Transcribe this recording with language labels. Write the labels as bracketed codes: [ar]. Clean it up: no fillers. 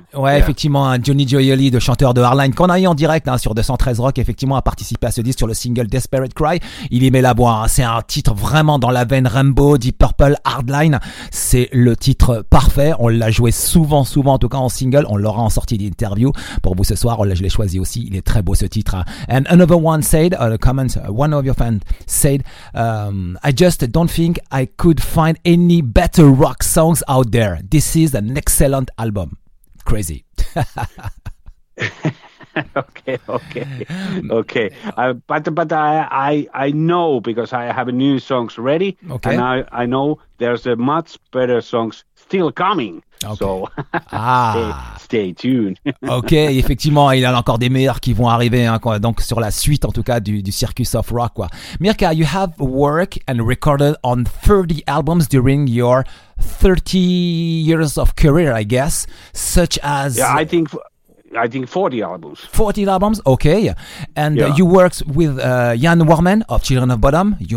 [fr] Ouais, effectivement, hein, Johnny Gioioli, le chanteur de Hardline, qu'on a eu en direct hein, sur 213 Rock, effectivement, a participé à ce disque sur le single Desperate Cry. Il y met la voix. Hein. C'est un titre vraiment dans la veine Rainbow, Deep Purple, Hardline. C'est le titre parfait. On l'a joué souvent, en tout cas en single. On l'aura en sortie d'interview pour vous ce soir. Je l'ai choisi aussi. Il est très beau ce titre. Hein. [en] And another one said, one of your fans said, I just don't think I could find any better rock songs out there. This is an excellent album. Crazy. Okay. But I know because I have new songs ready, and Okay. I know there's a much better songs still coming. So stay tuned. [fr] Ok, effectivement, il y a encore des meilleurs qui vont arriver, hein, donc sur la suite en tout cas du Circus of Rock, quoi. [en] Mirka, you have worked and recorded on 30 albums during your 30 years of career, I guess, such Yeah, as I think 40 albums. 40 albums, okay. And Yeah. you worked with Jan Warman of Children of Bodom.